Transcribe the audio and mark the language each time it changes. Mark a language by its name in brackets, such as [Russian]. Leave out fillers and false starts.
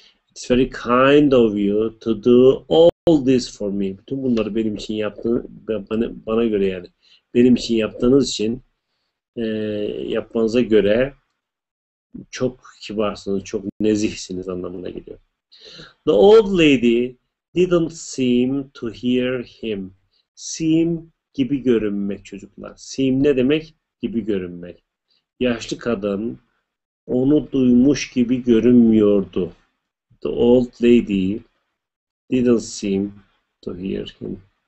[English] It's very kind of you to do all this for me. [Turkish] Bütün bunları benim için yaptığınız, bana göre yani, benim için yaptığınız için, yapmanıza göre çok kibarsınız, çok nezihsiniz anlamına geliyor. [English] The old lady didn't seem to hear him. [Turkish] Seem gibi görünmek çocuklar. Seem ne demek? Gibi görünmek. Yaşlı kadın onu duymuş gibi görünmüyordu. [English] The old lady didn't seem to hear him.